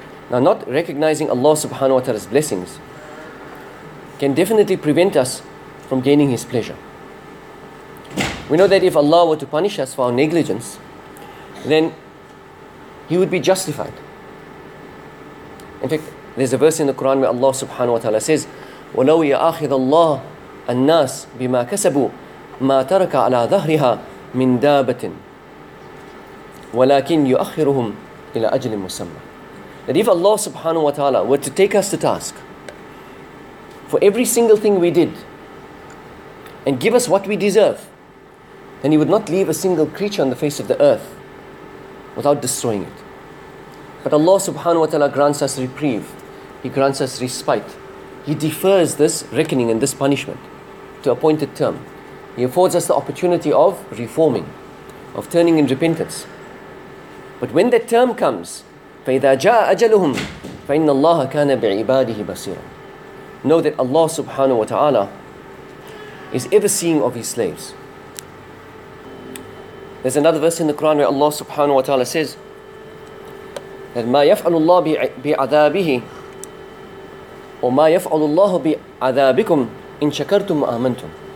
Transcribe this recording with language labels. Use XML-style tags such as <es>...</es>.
<en>Now, not recognizing Allah subhanahu wa ta'ala's blessings can definitely prevent us from gaining His pleasure. We know that if Allah were to punish us for our negligence, then He would be justified. In fact, there's a verse in the Quran where Allah subhanahu wa ta'ala says,</en> <ar>وَلَوْ يَأَخِذَ اللَّهُ النَّاسِ بِمَا كَسَبُوا مَا تَرَكَ عَلَىٰ ذَهْرِهَا مِنْ دَابَةٍ وَلَكِنْ يُؤَخِّرُهُمْ إِلَىٰ أَجْلٍ مُسَمَّى.</ar> <en>That if Allah subhanahu wa ta'ala were to take us to task for every single thing we did and give us what we deserve, then He would not leave a single creature on the face of the earth without destroying it. But Allah subhanahu wa ta'ala grants us reprieve. He grants us respite. He defers this reckoning and this punishment to appointed term. He affords us the opportunity of reforming, of turning in repentance. But when that term comes,</en> <ar>فَإِذَا جَاءَ أَجَلُهُمْ فَإِنَّ اللَّهَ كَانَ بِعِبَادِهِ بَصِيرًا.</ar> <en>Know that Allah subhanahu wa ta'ala is ever seeing of His slaves. There's another verse in the Quran where Allah subhanahu wa ta'ala says that</en> <ar>ما يفعل الله بعذابه وما يفعل الله بعذابكم إن شكرتم وآمنتم.</ar>